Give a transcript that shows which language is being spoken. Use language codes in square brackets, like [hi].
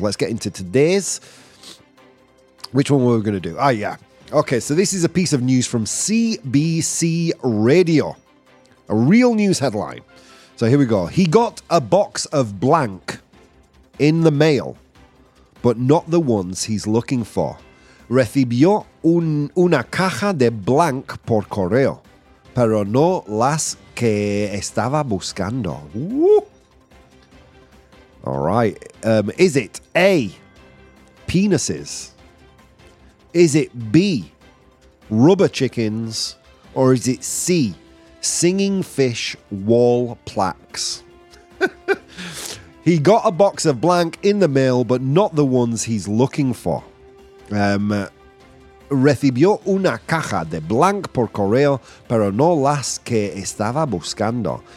[en] Let's get into today's. Which one were we going to do? Ah, yeah. Okay, so this is a piece of news from CBC Radio. A real news headline. So here we go. He got a box of blank in the mail, but not the ones he's looking for. [es] Recibió una caja de blank por correo, pero no las que estaba buscando. [en] Woo! All right. Is it A, penises? Is it B, rubber chickens? Or is it C, singing fish wall plaques? He got a box of blank in the mail, but not the ones he's looking for. [es] Recibió una caja de blank por correo, pero no las que estaba buscando.